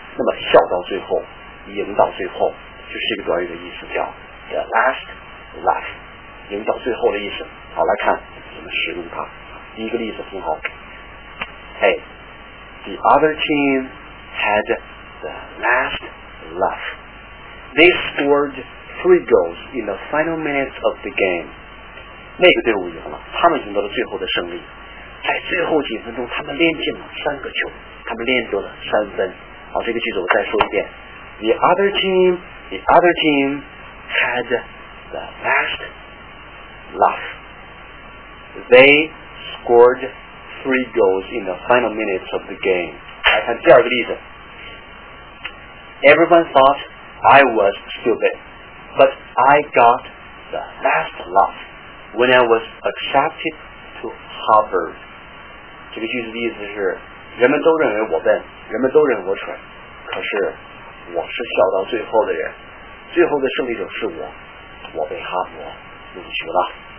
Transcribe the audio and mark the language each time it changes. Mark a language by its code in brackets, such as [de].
[zh] 那么笑到最后，赢到最后，就是一个短语的意思，叫 the last laugh， 赢到最后的意思。好，来看怎么使用它。第一个例子很好。 [en] Hey, the other team had the last laugh. They scored. three goals in the final minutes of the game. [zh] 那个队伍赢了，他们赢得了最后的胜利。在最后几分钟，他们连进了三个球，他们连得了三分。好，这个句子我再说一遍。 [en] The other team had the last laugh. They scored three goals in the final minutes of the game. [zh] 来看第二个例子。 [en] Everyone thought I was stupid, but I got the last laugh when I was accepted to Harvard. [zh] 这个句子的意思是，人们都认为我笨，人们都认为我蠢，可是我是笑到最后的人，最后的胜利者是我，我被哈佛录取了。